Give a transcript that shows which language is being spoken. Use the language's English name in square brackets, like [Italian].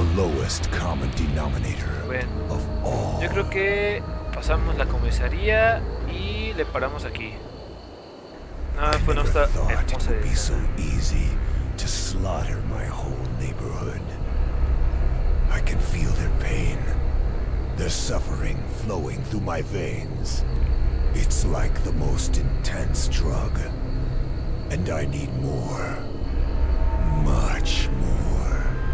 [English] The lowest common denominator. [Spanish] Bueno, yo creo que pasamos la comisaría y le paramos aquí. No, fue nuestra hermosa idea. [English] Be so easy to slaughter my whole neighborhood. I can feel their pain, their suffering flowing through my veins. It's like the most intense drug, and I need more, much more.